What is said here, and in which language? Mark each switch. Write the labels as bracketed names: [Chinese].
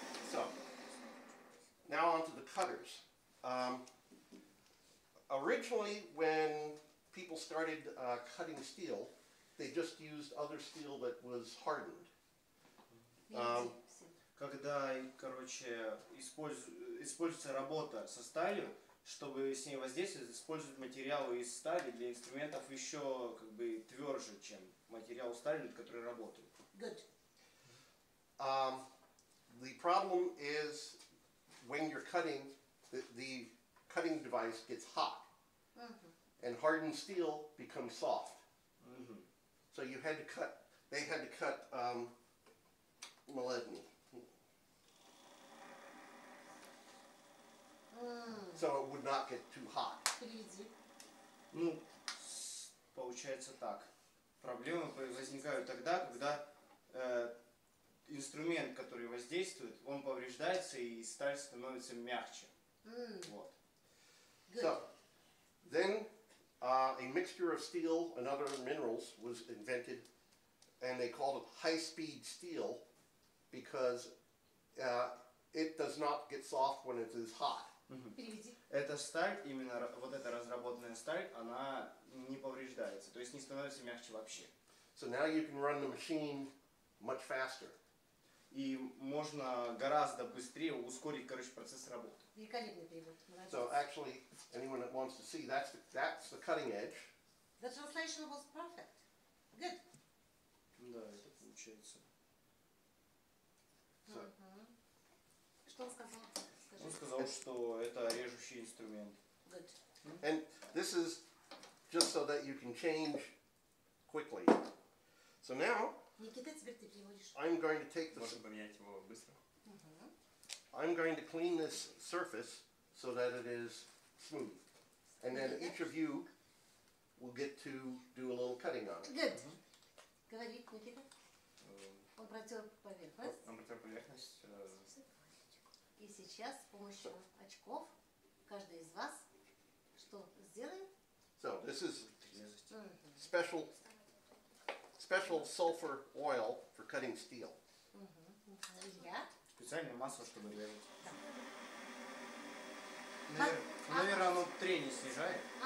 [English] So now onto the cutters. Originally, when people started cutting steel, they just used other steel that was hardened. [Russian] Когда, короче, используется работа со сталью, чтобы с ней воздействовать, используют материалы из стали для инструментов еще как бы тверже, чем материал стали, над которой работают. [English] Good. The problem is when you're cutting, the cutting device gets hot, and hardened steel becomes soft. Mm-hmm. So you had to cut. They had to cut molybdenum. So it would not get too hot. [Russian] Ну, получается так. Проблемы возникают тогда, когда инструмент, который воздействует, он повреждается и сталь становится мягче. Вот. [English] Good. So, then a mixture of steel and other minerals was invented, and they called it high-speed steel because it does not get soft when it is hot. [Russian] Эта сталь, именно вот эта разработанная сталь, она не повреждается, то есть не становится мягче вообще. [English] So now you can run the machine much faster. [Russian] И можно гораздо быстрее ускорить, короче, процесс работы. [English] So actually, anyone that wants to see, that's the cutting edge. The translation was perfect. Good. [Russian] Да, это получается. So. Что он сказал? Он сказал, что это режущий инструмент. Good. [English] And this is just so that you can change quickly. So now [Russian] Никита, теперь ты приводишь. [English] I'm going to take this. [Russian] Можно поменять его быстро. [English] I'm going to clean this surface so that it is smooth. And then each of you will get to do a little cutting on it. Good. [Russian] Говорит Никита. Он протер поверхность. Он протер поверхность. И сейчас с помощью очков каждый из вас что сделает? [English] So this is special sulfur oil for cutting steel. [Russian] Специальное масло, чтобы резать. Наверное, оно трение снижает.